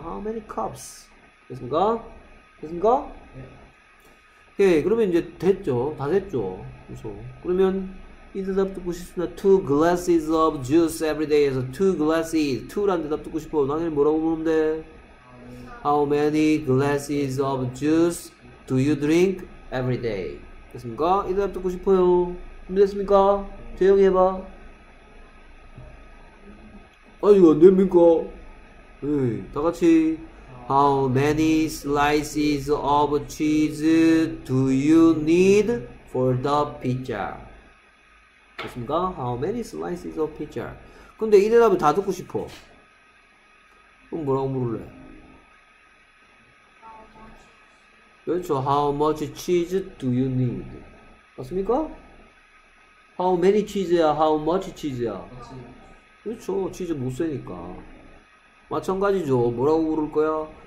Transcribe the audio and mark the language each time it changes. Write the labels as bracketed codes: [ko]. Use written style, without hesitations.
[en] How many cups? [ko] 됐습니까? 됐습니까? 네. 오케이. 그러면 이제 됐죠. 다 됐죠. 그렇죠. 그러면 이 대답 듣고 싶습니다. [en] Two glasses of juice every day. 에서 two glasses. Two란 [ko] 대답 듣고 싶어. 당연히 뭐라고 부르면 돼? [en] How many glasses of juice do you drink every day? [ko] 됐습니까? 이 대답 듣고 싶어요. 준비됐습니까? 조용히 해봐. 아니, 안 됩니까? 에이, 다 같이. [en] How many slices of cheese do you need for the pizza? [ko] 됐습니까? [en] How many slices of pizza? [ko] 근데 이 대답을 다 듣고 싶어. 그럼 뭐라고 물을래? [en] How much cheese do you need? [ko] 맞습니까? [en] How many cheese야? How much cheese [ko] 야? 그렇죠. 치즈 못 세니까. 마찬가지죠. 뭐라고 물을 거야?